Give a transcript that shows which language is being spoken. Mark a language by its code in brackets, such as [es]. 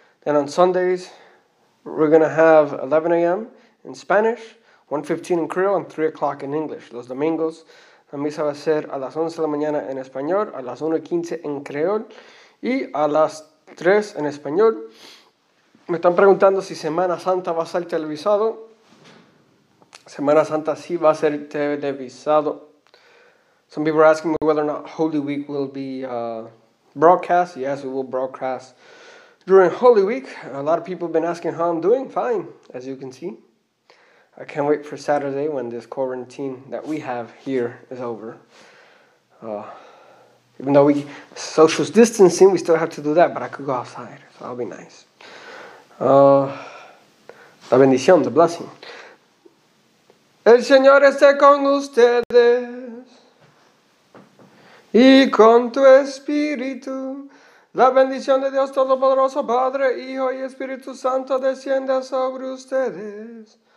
[en] Then on Sundays, we're going to have 11 a.m. in Spanish, 1:15 in Creole, and 3 o'clock in English. [es] Los domingos la misa va a ser a las 11 de la mañana en español, a las 1:15 en Creole, y a las 3 en español. Me están preguntando si Semana Santa va a ser televisado. Semana Santa sí va a ser televisado. [en] Some people are asking me whether or not Holy Week will be broadcast. Yes, we will broadcast During Holy Week, a lot of people have been asking how I'm doing. Fine, as you can see. I can't wait for Saturday when this quarantine that we have here is over. Even though we social distancing, we still have to do that, but I could go outside, so that'll be nice. [es] La bendición, [en] the blessing. [es] El Señor esté con ustedes y con tu espíritu. La bendición de Dios Todopoderoso, Padre, Hijo y Espíritu Santo, descienda sobre ustedes.